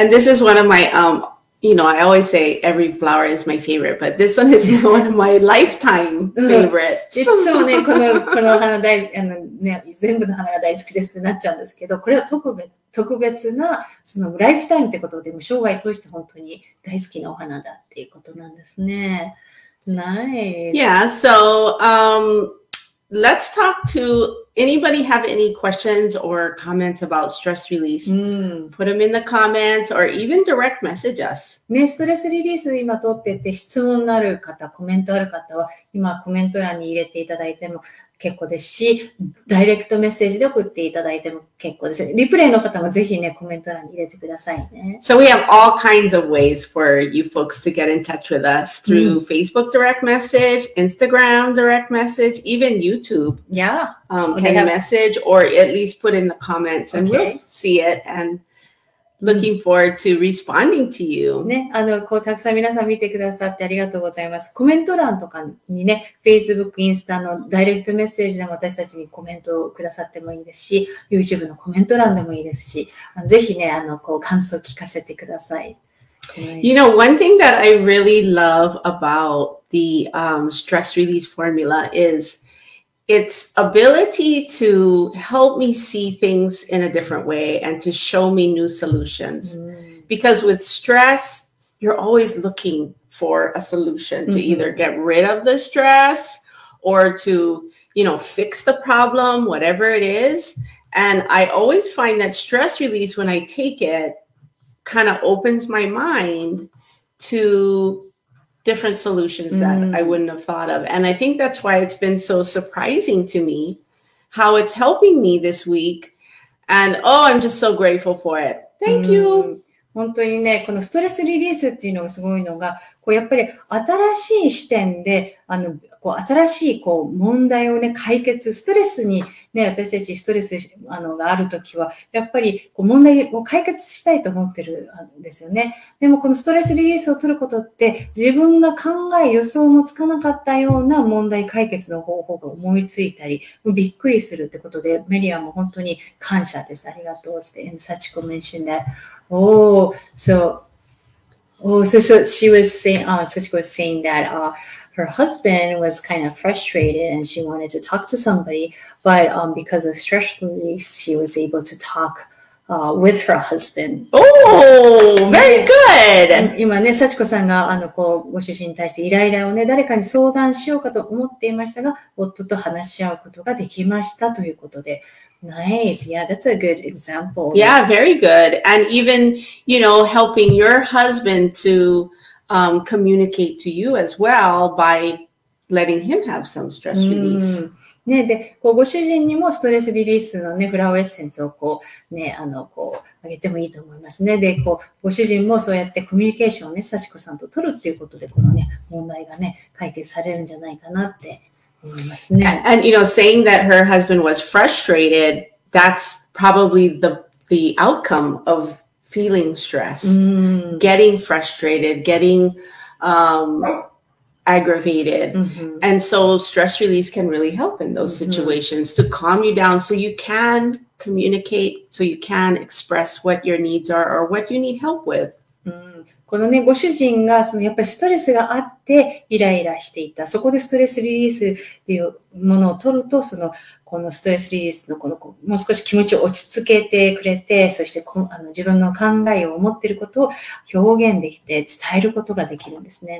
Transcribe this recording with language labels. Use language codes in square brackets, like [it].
[en] And this is one of my, You know, I always say every flower is my favorite, but this one is one of my lifetime favorites. [ja] いつもね、この花大、あのね、全部の花が大好きですってなっちゃうんですけど、これは特別な、そのライフタイムってことで、生涯通して本当に大好きなお花だっていうことなんですね。 [en] Nice. Yeah, so, let's talk to anybody have any questions or comments about stress release. Put them in the comments or even direct message us. [ja] ね、ストレスリリース今撮ってて質問のある方、コメントある方は今コメント欄に入れていただいても結構ですし、ダイレクトメッセージで送っていただいても結構です。リプレイの方もぜひね、コメント欄に入れてくださいね。 [en] So we have all kinds of ways for you folks to get in touch with us through、うん、Facebook direct message, Instagram direct message, even YouTube. Yeah. Can you message or at least put in the comments and、okay. we'll see it andLooking forward to responding to you. [ja] ね、こう、たくさん皆さん見てくださってありがとうございます。コメント欄とかにね、Facebook、Instagram のダイレクトメッセージでも私たちにコメントをくださってもいいですし、YouTube のコメント欄でもいいですし、ぜひね、こう、感想を聞かせてください。 [en] You know, one thing that I really love about the, stress release formula is its ability to help me see things in a different way and to show me new solutions.、Mm. Because with stress, you're always looking for a solution、mm-hmm. to either get rid of the stress or to, you know, fix the problem, whatever it is. And I always find that stress release, when I take it, kind of opens my mind to... different solutions that、mm. I wouldn't have thought of. And I think that's why it's been so surprising to me how it's helping me this week. And oh, I'm just so grateful for it. Thank、mm. you. [ja] 本当にね、このストレスリリースっていうのがすごいのが、こうやっぱり新しい視点で、こう新しいこう問題をね、解決、ストレスにね、私たちストレスがあるときは、やっぱりこう問題を解決したいと思ってるんですよね。でもこのストレスリリースを取ることって、自分が考え予想もつかなかったような問題解決の方法が思いついたり、びっくりするってことで、メリアも本当に感謝です。ありがとう。って、 [en] and Sachiko mentioned that. So she was saying, Sachiko was saying that, her husband was kind of frustrated and she wanted to talk to somebody, but, because of stress release, she was able to talk, with her husband. Oh, very good! [ja] 今ね、幸子さんが、こう、ご主人に対してイライラをね、誰かに相談しようかと思っていましたが、夫と話し合うことができましたということで、Nice. [en] Yeah, that's a good example. Yeah, very good. And even, you know, helping your husband to, communicate to you as well by letting him have some stress release.、 [ja] うん、ね、で、こう、ご主人にもストレスリリースのね、フラワーエッセンスをこう、ね、こう、あげてもいいと思いますね。で、こう、ご主人もそうやってコミュニケーションをね、幸子さんと取るっていうことで、このね、問題がね、解決されるんじゃないかなって。 [en] And, you know, saying that her husband was frustrated, that's probably the outcome of feeling stressed,、mm. getting frustrated, getting、aggravated.、Mm-hmm. And so stress release can really help in those、mm-hmm. situations to calm you down so you can communicate, so you can express what your needs are or what you need help with. [ja] このね、ご主人が、そのやっぱりストレスがあって、イライラしていた。そこでストレスリリースっていうものを取ると、その、このストレスリリースのこの、もう少し気持ちを落ち着けてくれて、そして自分の考えを思っていることを表現できて、伝えることができるんですね。